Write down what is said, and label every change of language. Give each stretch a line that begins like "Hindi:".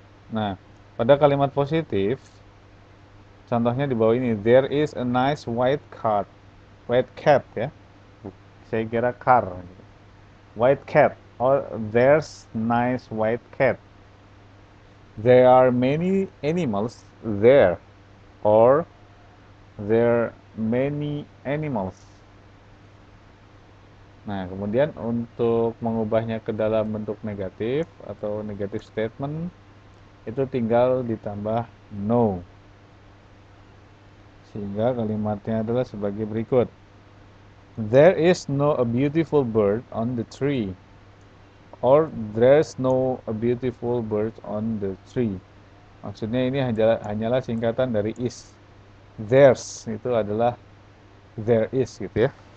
Indonesian: Nah, pada kalimat positif, contohnya di bawah ini,
English: there is a nice white cat, white cat
Indonesian: ya, saya kira
English: car, white cat, or there's nice white cat, there are many animals there, or there are many animals.
Indonesian: Nah, kemudian untuk mengubahnya ke dalam bentuk negatif atau negative statement, itu tinggal ditambah no. Sehingga kalimatnya adalah sebagai berikut.
English: There is no a beautiful bird on the tree. Or there's no a beautiful bird on the tree.
Indonesian: Maksudnya ini hanyalah singkatan dari is. There's itu adalah
English: there is
Indonesian: gitu ya.